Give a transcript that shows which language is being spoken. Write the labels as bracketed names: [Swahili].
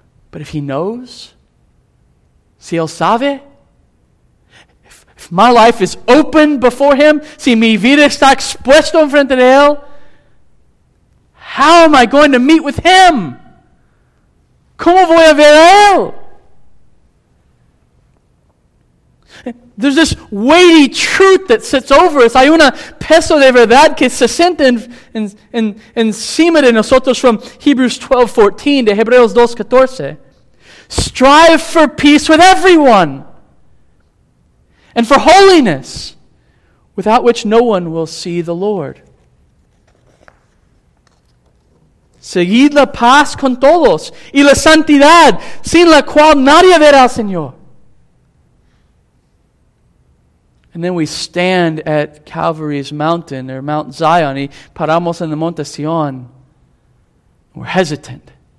[English] But if he knows, [Spanish] si él sabe, [English] if my life is open before him, [Spanish] si mi vida está expuesta en frente de él, [English] how am I going to meet with him? [Spanish] ¿Cómo voy a ver a él? [English] There's this weighty truth that sits over us. [Spanish] Hay una peso de verdad que se siente encima de nosotros [English] from Hebrews 12:14 to [Spanish] Hebreos 2:14. [English] Strive for peace with everyone and for holiness, without which no one will see the Lord. [Spanish] Seguid la paz con todos y la santidad, sin la cual nadie verá al Señor. [English] And then we stand at Calvary's mountain, or Mount Zion, [Spanish] y paramos en el Monte Sion. [English] We're hesitant.